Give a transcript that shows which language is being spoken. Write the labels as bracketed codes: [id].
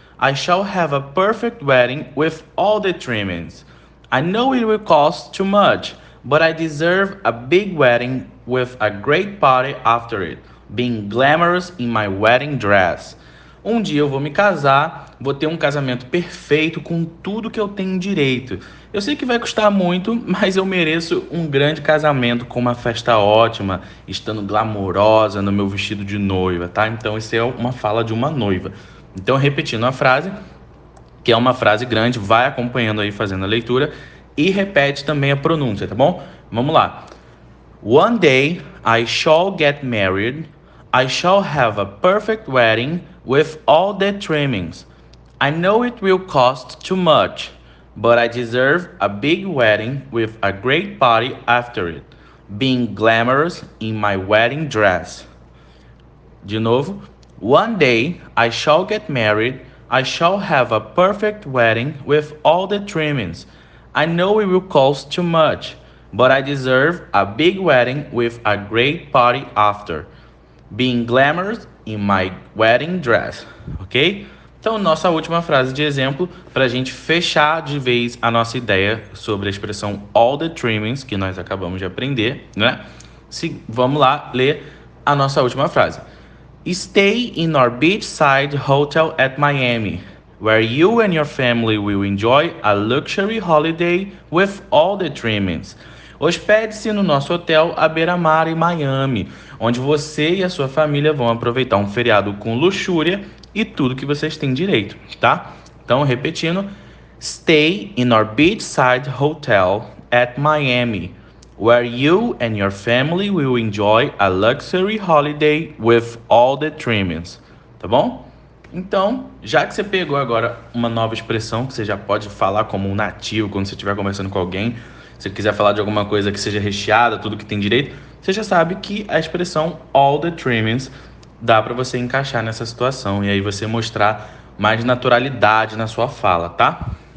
[en] I shall have a perfect wedding with all the trimmings. I know it will cost too much, but I deserve a big wedding with a great party after it. Being glamorous in my wedding dress. [pt] Um dia eu vou me casar, vou ter um casamento perfeito com tudo que eu tenho direito. Eu sei que vai custar muito, mas eu mereço um grande casamento com uma festa ótima, estando glamourosa no meu vestido de noiva, tá? Então, isso é uma fala de uma noiva. Então, repetindo a frase, que é uma frase grande, vai acompanhando aí, fazendo a leitura, e repete também a pronúncia, tá bom? Vamos lá. [en] One day I shall get married. I shall have a perfect wedding with all the trimmings. I know it will cost too much, but I deserve a big wedding with a great party after it, being glamorous in my wedding dress. [pt] De novo. [en] One day I shall get married. I shall have a perfect wedding with all the trimmings. I know it will cost too much, but I deserve a big wedding with a great party after, being glamorous in my wedding dress. [pt] Ok? Então, nossa última frase de exemplo, para a gente fechar de vez a nossa ideia sobre a expressão all the trimmings, que nós acabamos de aprender, né? Vamos lá ler a nossa última frase. [en] Stay in our beachside hotel at Miami, where you and your family will enjoy a luxury holiday with all the trimmings. [pt] Hospede-se no nosso hotel à beira-mar em Miami, onde você e a sua família vão aproveitar um feriado com luxúria e tudo que vocês têm direito, tá? Então, repetindo: [en] Stay in our beachside hotel at Miami, where you and your family will enjoy a luxury holiday with all the trimmings, [pt] tá bom? Então, já que você pegou agora uma nova expressão que você já pode falar como um nativo quando você estiver conversando com alguém, se quiser falar de alguma coisa que seja recheada, tudo que tem direito, você já sabe que a expressão all the trimmings dá para você encaixar nessa situação e aí você mostrar mais naturalidade na sua fala, tá?